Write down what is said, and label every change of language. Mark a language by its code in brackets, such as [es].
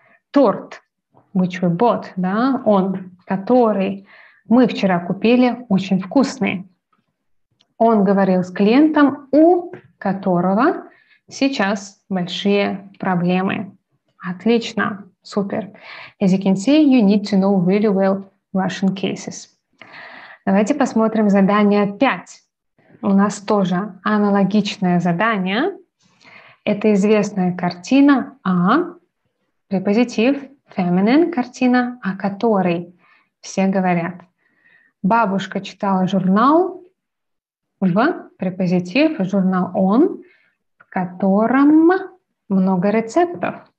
[ru] Торт, [en] which we bought, [ru] да, он, который... мы вчера купили очень вкусный. Он говорил с клиентом, у которого сейчас большие проблемы. Отлично, супер. [en] As you can see, you need to know really well Russian cases. [ru] Давайте посмотрим задание 5. У нас тоже аналогичное задание. Это известная картина А, препозитив, feminine картина, о которой все говорят. Бабушка читала журнал в препозитив, журнал он, в котором много рецептов.